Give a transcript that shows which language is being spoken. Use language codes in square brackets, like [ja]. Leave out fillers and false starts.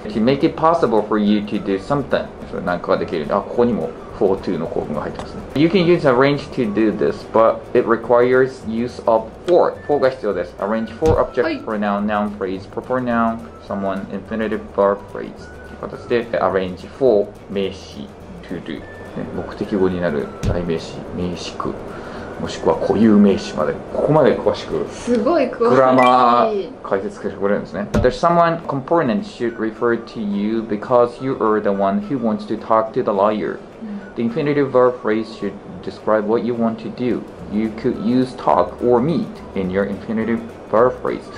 [en] To make it possible for you to do something. [ja] それなんかができる。あ、ここにも for to の構文が入ってますね。 [en] You can use arrange to do this, but it requires use of for. For [ja] が必要です。 [en] Arrange for object,、はい、pronoun, noun phrase, proper noun, someone, infinitive verb phrase. [ja] という形で、arrange for 名詞 to do. 目的語になる代名詞、名詞句、もしくは固有名詞まで、ここまで詳しく、すごい詳しい、グラマー解説してくれるんですね。 [en] There's someone component should refer to you because you are the one who wants to talk to the lawyer. The infinitive verb phrase should describe what you want to do. You could use talk or meet in your infinitive verb phrase.